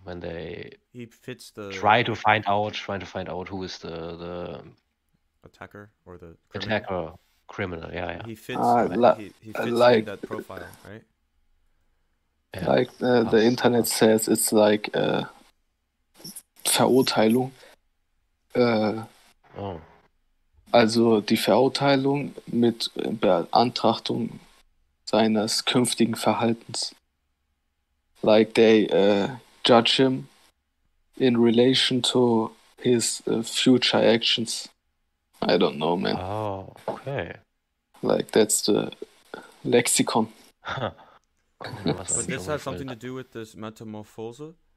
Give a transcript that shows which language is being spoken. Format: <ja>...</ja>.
<en>When they try to find out who is the attacker or the criminal. Yeah, yeah. He fits in that profile, right? Yeah. Like the internet says, it's like Verurteilung.</en> <de>Also die Verurteilung mit Beantrachtung seines künftigen Verhaltens.</de> <en>Like they judge him in relation to his future actions. I don't know, man. Oh, okay. Like that's the lexicon. But this has something to do with this metamorphose?</en>